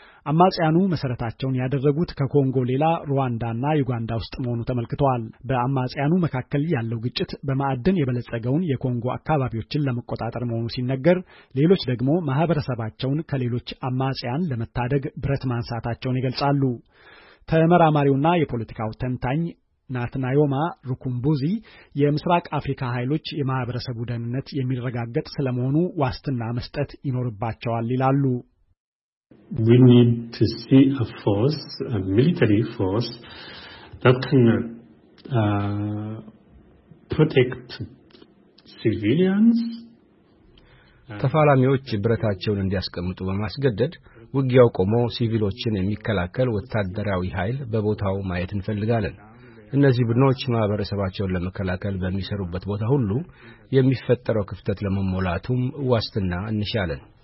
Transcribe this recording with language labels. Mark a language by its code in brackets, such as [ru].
[am] አማጽያኑ መሰረታቸውን ያደረጉት ከኮንጎ ሌላ ሩዋንዳና ዩጋንዳ ውስጥ መሆኑ ተመልክቷል። በአማጽያኑ መካከል ያለው ግጭት በማዕድን የበለጸገውን የኮንጎ አካባቢዎችን ለመቆጣጠር መሆኑ ሲነገር፣ ሌሎች ደግሞ ማህበረሰባቸውን ከሌሎች አማጽያን ለመታደግ ብረት ማንሳታቸውን ይገልጻሉ። ተመራማሪውና የፖለቲካው ተንታኝ ናትናዮማ ሩኩምቡዚ የምስራቅ አፍሪካ ኃይሎች የማህበረሰቡ ደህንነት የሚረጋገጥ ስለመሆኑ ዋስትና መስጠት ይኖርባቸዋል ይላሉ። [en] We need to see a force, a military force, that can protect civilians. [am] ተፋላሚዎች ብረታቸውን እንዲያስቀምጡ በማስገደድ ውጊያው ቆሞ ሲቪሎችን የሚከላከል ወታደራዊ ኃይል በቦታው ማየት እንፈልጋለን። እነዚህ ቡድኖች ማህበረሰባቸውን ለመከላከል በሚሰሩበት ቦታ ሁሉ የሚፈጠረው ክፍተት ለመሞላቱም ዋስትና እንሻለን።